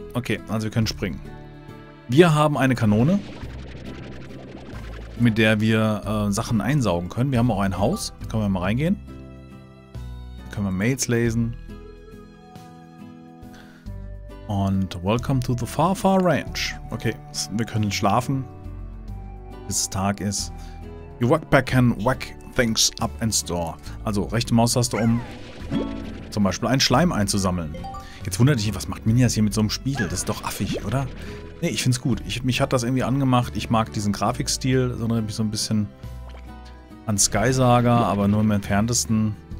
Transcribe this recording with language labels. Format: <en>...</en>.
<de>Okay, also wir können springen. Wir haben eine Kanone, mit der wir Sachen einsaugen können. Wir haben auch ein Haus. Können wir mal reingehen? Können wir Mails lesen? Und</de> <en>welcome to the far, far ranch.</en> <de>Okay, wir können schlafen, bis es Tag ist.</de> <en>Your work pack can whack things up and store.</en> <de>Also, rechte Maustaste, um zum Beispiel einen Schleim einzusammeln. Jetzt wundert dich, was macht Minias hier mit so einem Spiegel? Das ist doch affig, oder? Nee, ich find's gut. Mich hat das irgendwie angemacht. Ich mag diesen Grafikstil, sondern mich so ein bisschen an Skysaga, aber nur im Entferntesten.</de>